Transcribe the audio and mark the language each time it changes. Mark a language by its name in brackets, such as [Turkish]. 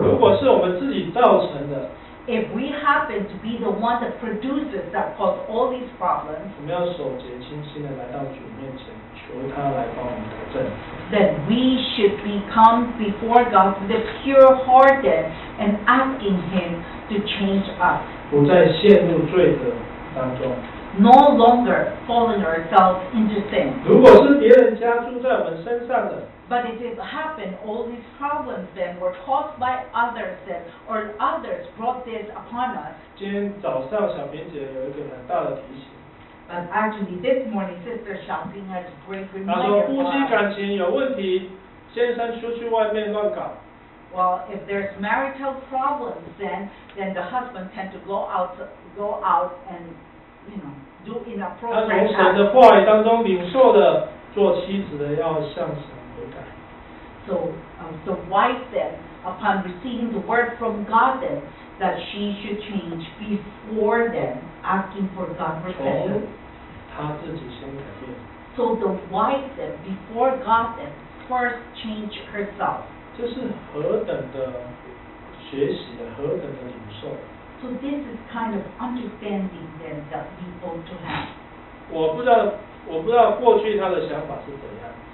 [Chinese] 如果是我们自己造成的。 [English] If we happen to be the one that produces that cause all these problems. [Chinese] 我们要守节清心的来到主面前，求他来帮我们改正。 [English] Then we should become before God with a pure heart then and asking Him to change us. [Chinese] 不再陷入罪的。 [English] No longer falling ourselves into sin. [Chinese] 如果是别人加诸在我们身上的。 [English] But if it happened, all these problems then were caused by others then, or others brought this upon us. [Chinese] 今天早上小平姐有一个很大的提醒。 [English] But actually, this morning, Sister Xiaoping had a great reminder. [Chinese] 他说夫妻感情有问题，先生出去外面乱搞。 [English] Well, if there's marital problems, then the husband tend to go out and, you know, do inappropriate. [Chinese] 他从神的话语当中领受的，做妻子的要向神悔改。 [English] So, the wife then, upon receiving the word from God, then that she should change before then asking for God's repentance. So the wife then, before God then, first change herself. [Chinese] 这是何等的学习，何等的领受。 [English] So this is kind of understanding then that we ought to have. [Chinese] 我不知道过去她的想法是怎样。